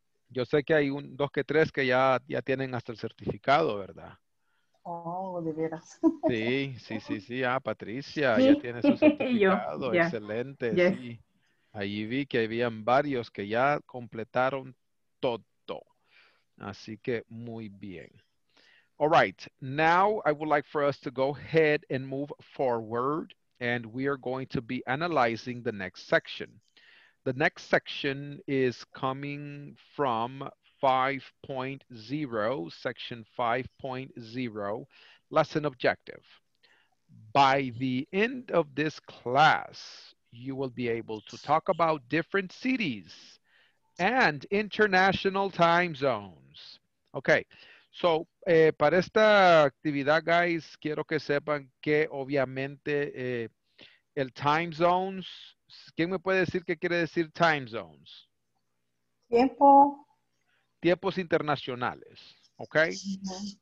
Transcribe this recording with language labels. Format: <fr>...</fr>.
<es>Yo sé que hay un, dos que tres que ya, ya tienen hasta el certificado, ¿verdad? Oh, de veras. Sí, sí, sí, sí. Ah, Patricia, sí. Ya tiene su certificado. Yo, excelente, yeah. Sí. Allí vi que habían varios que ya completaron todo. Así que muy bien.</es> <en>All right. Now I would like for us to go ahead and move forward. And we are going to be analyzing the next section. The next section is coming from 5.0, section 5.0, lesson objective. By the end of this class, you will be able to talk about different cities and international time zones.</en> <es>Okay, so para esta actividad, guys, quiero que sepan que obviamente el time zones, ¿quién me puede decir qué quiere decir time zones? Tiempo. Tiempos internacionales, okay? Uh-huh.</es>